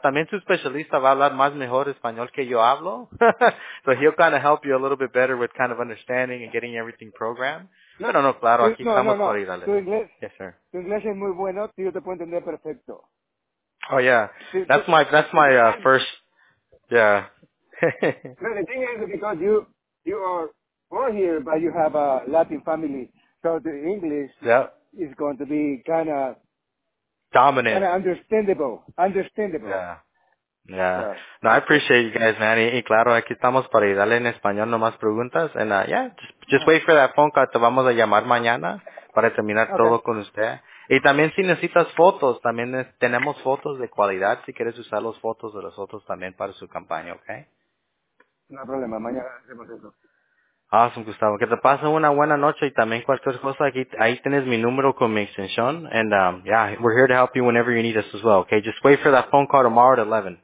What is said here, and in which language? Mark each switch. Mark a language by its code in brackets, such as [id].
[es] También tu especialista va a hablar más mejor español que yo hablo. [en] So he'll kind of help you a little bit better with kind of understanding and getting everything programmed. [es] No, claro. Aquí estamos por ir a leer. Tu inglés es muy bueno. Yo te puedo entender perfecto. [en] Oh yeah, that's my first. Yeah. No, the thing is because you are born here, but you have a Latin family, so the English is going to be kind of dominant, kind of understandable. Yeah. No, I appreciate you guys, man. [es] Y claro, aquí estamos para ayudarle en español, no más preguntas. [en] And just wait for that phone call. [es] Te vamos a llamar mañana para terminar todo con usted. Y también si necesitas fotos, también tenemos fotos de cualidad si quieres usar los fotos de los otros también para su campaña, ¿okay? No hay problema, mañana hacemos eso. [en] Awesome, Gustavo. [es] Que te pase una buena noche y también cualquier cosa. Ahí tienes mi número con mi extensión. [en] And we're here to help you whenever you need us as well, okay? Just wait for that phone call tomorrow at 11.